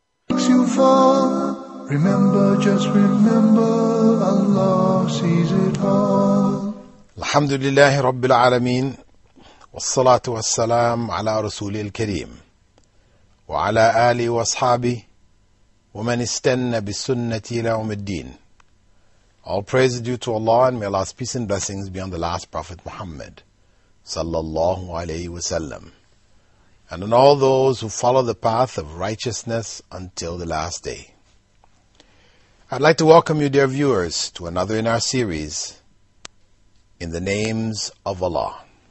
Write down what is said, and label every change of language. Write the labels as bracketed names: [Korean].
[English] Looks you far, remember, just remember, Allah sees it all. [Arabic] الحمد لله رب العالمين والصلاة والسلام على رسوله الكريم وعلى آله وأصحابه ومن استنى بالسنة إلى يوم الدين. [English] All praise due to Allah and may Allah's peace and blessings be on the last Prophet Muhammad sallallahu alayhi wa sallam, and on all those who follow the path of righteousness until the last day. I'd like to welcome you, dear viewers, to another in our series, In the Names of Allah.